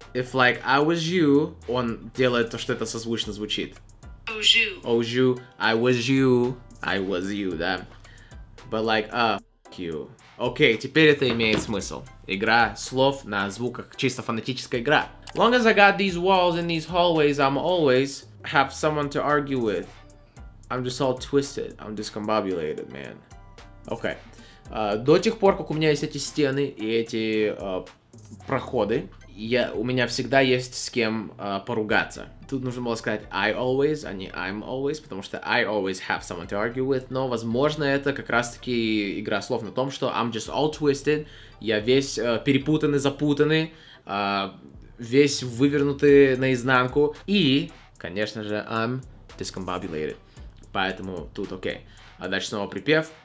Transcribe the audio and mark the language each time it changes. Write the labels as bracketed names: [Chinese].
[English] If like I was you. [Russian] Он делает то, что это созвучно звучит. [English] Au jus. I was you. I was you, [Russian] да. [English] But like f*** you. [Russian] Окей, теперь это имеет смысл. Игра слов на звуках. Чисто фонетическая игра. [English] Long as I got these walls and these hallways, I'm always have someone to argue with. I'm just all twisted. I'm discombobulated, man. Okay. [Russian] До тех пор, как у меня есть эти стены и эти проходы, у меня всегда есть с кем поругаться. Тут нужно было сказать [English] I always, [Russian] а не [English] I'm always, [Russian] потому что [English] I always have someone to argue with. [Russian] Но, возможно, это как раз-таки игра слов на том, что [English] I'm just all twisted. [Russian] Я весь перепутанный, запутанный. Весь вывернутый наизнанку. И, конечно же, [English] I'm discombobulated. [Russian] Поэтому тут окей. А дальше снова припев.